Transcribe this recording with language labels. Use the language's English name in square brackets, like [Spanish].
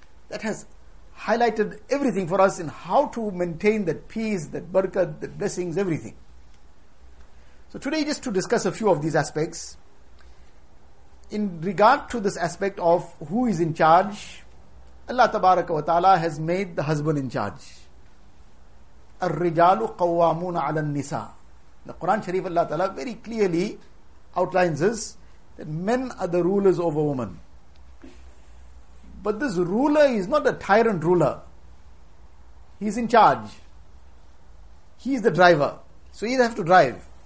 [English] That has highlighted everything for us in how to maintain that peace, that barakat, the blessings, everything. So today, just to discuss a few of these aspects, in regard to this aspect of who is in charge, Allah tabaraka wa ta'ala has made the husband in charge. [Arabic] الرجال قوامون على النساء. [English] The Quran Sharif Allah Ta'ala very clearly outlines this, that men are the rulers over women. But this ruler is not a tyrant ruler. He's in charge. He is the driver. So he'll have to drive.